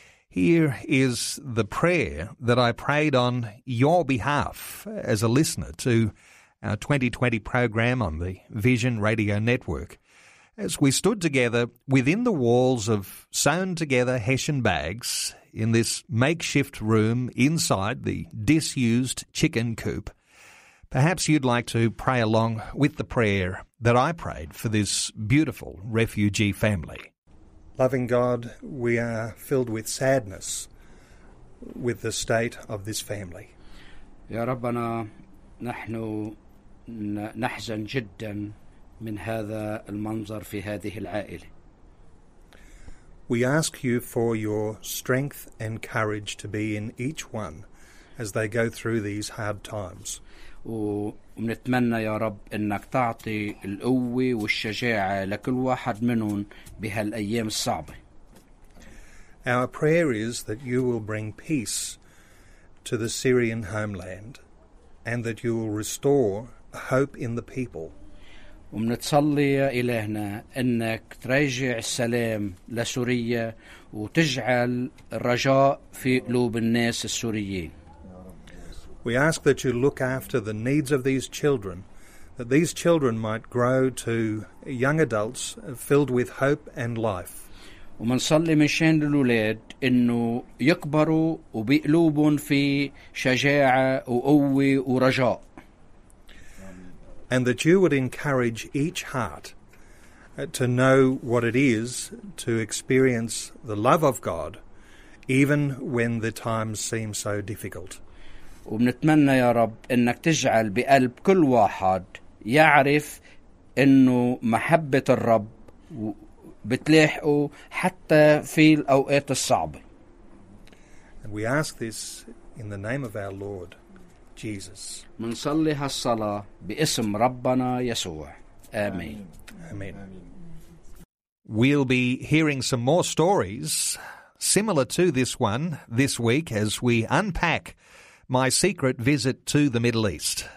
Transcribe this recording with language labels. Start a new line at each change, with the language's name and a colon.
English: Here is the prayer that I prayed on your behalf as a listener to our 2020 program on the Vision Radio Network, as we stood together within the walls of sewn-together Hessian bags in this makeshift room inside the disused chicken coop. Perhaps you'd like to pray along with the prayer that I prayed for this beautiful refugee family. Loving God, we are filled with sadness with the state of this family.
Arabic: Ya Rabbana, nahnu نحزن جدا من هذا المنظر في هذه العائلة.
English: We ask you for your strength and courage to be in each one as they go through these hard times.
Arabic: ونتمنى يا رب انك تعطي القوة والشجاعة لكل واحد منهم بهالايام الصعبة.
English: Our prayer is that you will bring peace to the Syrian homeland and that you will restore hope in the people.
Arabic: ومنتصلي يا إلهنا أنك تراجع السلام لسوريا وتجعل الرجاء في قلوب الناس السوريين.
English: We ask that you look after the needs of these children, that these children might grow to young adults filled with hope and life.
Arabic: ومنصلي من شان الأولاد أنه يكبروا وبقلوبهم في شجاعة وقوة ورجاء.
English: And that you would encourage each heart to know what it is to experience the love of God, even when the times seem so difficult.
Arabic: وبنتمنى يا رب انك تجعل بقلب كل واحد يعرف انه محبة الرب بتلاحقه حتى في الأوقات الصعبة.
English: And we ask this in the name of our Lord. Jesus.
Arabic: منصلي هالصلاة باسم ربنا يسوع. آمين. آمين.
English: We'll be hearing some more stories similar to this one this week as we unpack my secret visit to the Middle East.